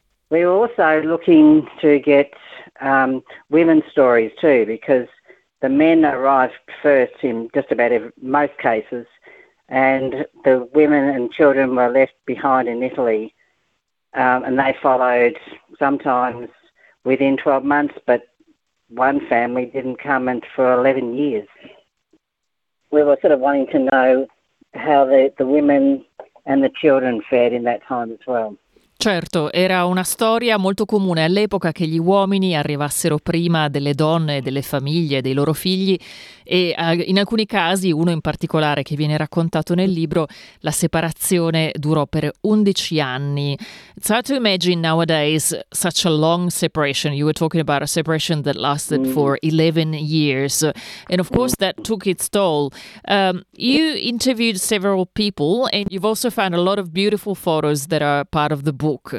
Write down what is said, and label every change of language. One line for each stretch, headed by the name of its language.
English: We were also looking to get women's stories too, because the men arrived first in just about most cases, and the women and children were left behind in Italy, and they followed sometimes within 12 months, but one family didn't come for 11 years. We were sort of wanting to know how the women and the children fared in that time as well.
Italian: Certo, era una storia molto comune all'epoca che gli uomini arrivassero prima delle donne, delle famiglie, dei loro figli, e in alcuni casi, uno in particolare che viene raccontato nel libro, la separazione durò per 11 anni.
English: It's hard to imagine nowadays such a long separation. You were talking about a separation that lasted for 11 years. And of course that took its toll. You interviewed several people and you've also found a lot of beautiful photos that are part of the book.